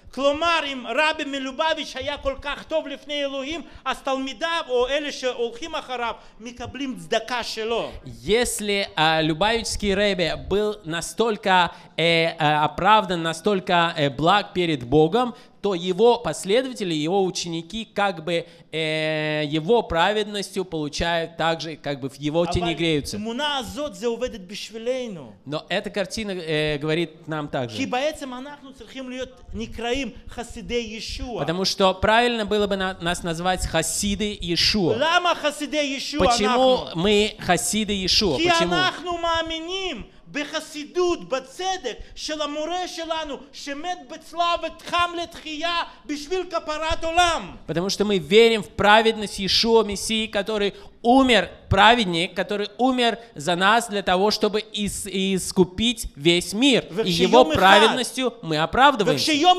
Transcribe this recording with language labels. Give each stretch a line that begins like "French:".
Hebrew: כלומר, אם רבי מלובביץ' היה כל כך טוב לפני אלוהים, אז תלמידיו או אלה שהולכים אחריו מקבלים צדקה שלו.
Russian: Если Любавичский ребе был настолько оправдан, настолько благ перед Богом, то его последователи, его ученики, как бы его праведностью получают также, как бы в его тени греются.
Hebrew: תמונה הזאת זה עובדת בשבילנו.
Russian: Но эта картина говорит нам также.
Hebrew: כי בעצם אנחנו צריכים להיות נקראים חסידי ישוע.
Russian: Потому что правильно было бы нас назвать хасиды Иешуа.
Hebrew: למה חסידי ישוע אנחנו?
Russian: Почему мы хасиды Иешуа?
Hebrew: כי אנחנו מאמינים. בחסידות, בצדק של המורה שלנו שמת בצלבת חם לתחייה בשביל כפרת עולם.
Russian: Потому что мы верим в праведность Иешуа Мессии, который умер, праведник, который умер за нас для того, чтобы искупить весь мир. И его праведностью мы оправдываемся.